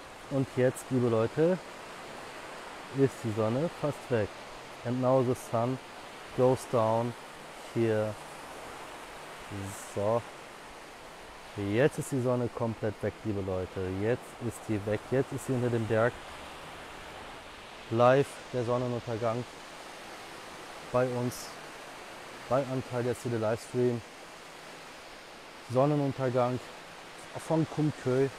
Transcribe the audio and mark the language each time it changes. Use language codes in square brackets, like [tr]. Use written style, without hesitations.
[de] Und jetzt, liebe Leute, ist die Sonne fast weg. [en] And now the sun goes down here. So. [de] Jetzt ist die Sonne komplett weg, liebe Leute. Jetzt ist die weg. Jetzt ist sie hinter dem Berg. Live der Sonnenuntergang bei uns. Bei Anteil der City Livestream. Sonnenuntergang von Kumkö.